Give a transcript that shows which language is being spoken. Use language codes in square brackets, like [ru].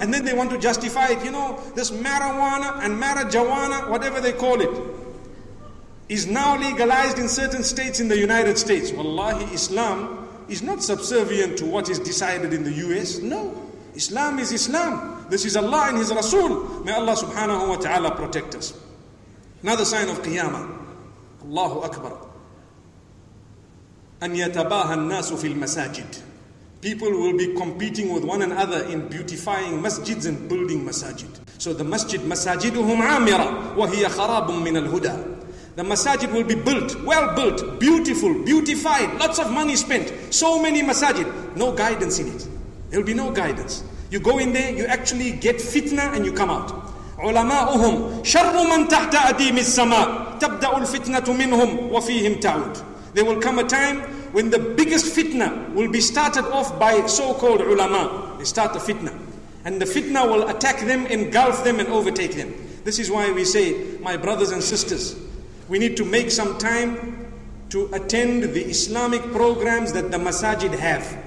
[en] And then they want to justify it. You know, this marijuana and marijuana, whatever they call it, is now legalized in certain states in the United States. Wallahi, Islam is not subservient to what is decided in the US. No. Islam is Islam. This is Allah and His Rasul. May Allah subhanahu wa ta'ala protect us. Another sign of Qiyamah. Allahu Akbar. [ar] أن يتباهى الناس في المساجد. [en] People will be competing with one another in beautifying masjids and building masajid. So the masjid, [ar] masajiduhum عامرة وهي خراب من الهدى. [en] The masajid will be built, well built, beautiful, beautified, lots of money spent. So many masajid, no guidance in it. There'll be no guidance. You go in there, you actually get fitna and you come out. [ar] علماؤهم شر من تحت أديم السماء تبدأ الفتنة منهم وفيهم تعود. [en] There will come a time when the biggest fitna will be started off by so-called ulama. They start the fitna. And the fitna will attack them, engulf them, and overtake them. This is why we say, my brothers and sisters, we need to make some time to attend the Islamic programs that the masajid have.